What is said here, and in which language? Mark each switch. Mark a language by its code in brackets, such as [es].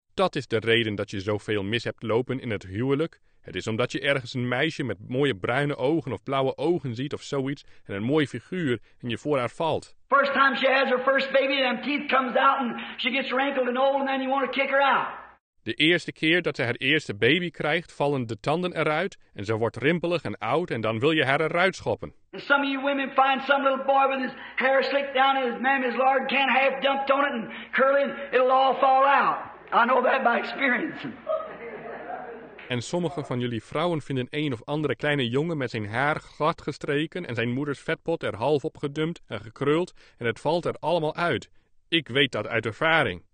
[nl] Dat is de reden dat je zoveel mis hebt lopen in het huwelijk. Het is omdat je ergens een meisje met mooie bruine ogen of blauwe ogen ziet of zoiets en een mooie figuur en je voor haar valt. [en] First time she has her first baby and them teeth comes out and she gets wrinkled and old and then you want to kick her out. [nl] De eerste keer dat ze haar eerste baby krijgt, vallen de tanden eruit en ze wordt rimpelig en oud en dan wil je haar eruit schoppen. [en] And some of you women find some little boy with his hair slicked down and his mammy's lard can't half dumped on it and curly and it'll all fall out. I know that by experience. [nl] En sommige van jullie vrouwen vinden een of andere kleine jongen met zijn haar glad gestreken en zijn moeders vetpot er half op gedumpt en gekruld en het valt er allemaal uit. Ik weet dat uit ervaring.